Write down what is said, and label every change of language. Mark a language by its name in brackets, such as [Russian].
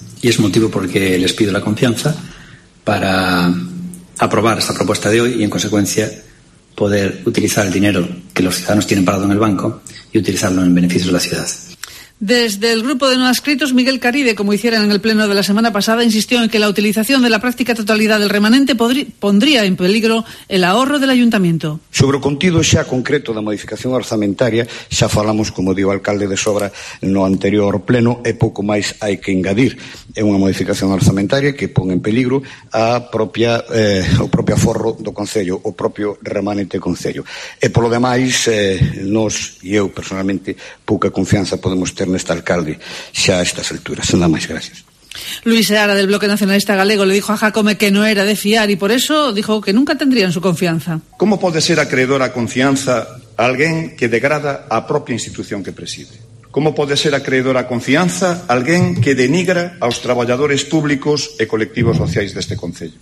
[Spanish] Y es motivo porque les pido la confianza para aprobar esta propuesta de hoy y, en consecuencia, poder utilizar el dinero que los ciudadanos tienen parado en el banco y utilizarlo en beneficio de la ciudad. Desde el grupo de no adscritos, Miguel Caride, como hicieron en el pleno de la semana pasada, insistió en que la utilización de la práctica totalidad del remanente pondría en peligro el ahorro del ayuntamiento. [Galician] Sobre o contido xa concreto da modificación orzamentaria, xa falamos, como dio o alcalde de sobra no anterior pleno, e pouco máis hai que engadir. É unha modificación orzamentaria que pon en peligro a propia, o propio aforro do Concello, o propio remanente do Concello. E polo demais, nos e eu personalmente, pouca confianza podemos ter neste alcalde xa a estas alturas. Nada máis, gracias. [Spanish] Luis Seara, del Bloque Nacionalista Galego, le dijo a Jácome que no era de fiar y por eso dijo que nunca tendrían su confianza. [Galician] ¿Cómo puede ser acreedor a confianza alguien que degrada a propia institución que preside? [Spanish] ¿Cómo puede ser acreedor a confianza alguien que denigra a los trabajadores públicos y colectivos sociales de este concello?